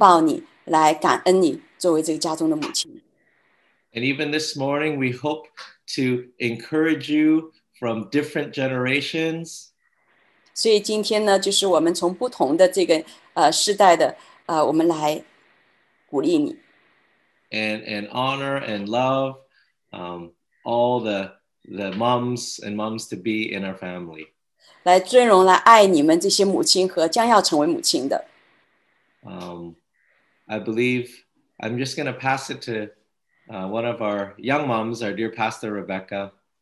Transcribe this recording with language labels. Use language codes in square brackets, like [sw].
[zh] 所以我们就像我们家中的这些母亲们，可能你刚刚失去你的母亲，或者你刚刚要成为一个母亲，或者你在这个过程当中，我们就是想作为西安整个家庭来拥抱你，来感恩你，作为这个家中的母亲。 [en] And even this morning, we hope to encourage you from different generations. [zh] 所以今天呢，就是我们从不同的这个世代的，我们来鼓励你。 [en] And honor and love all the moms and moms to be in our family. [zh] 来尊荣来爱你们这些母亲和将要成为母亲的。 [en] I believe I'm just going to pass it to one of our young moms, our dear Pastor Rebecca.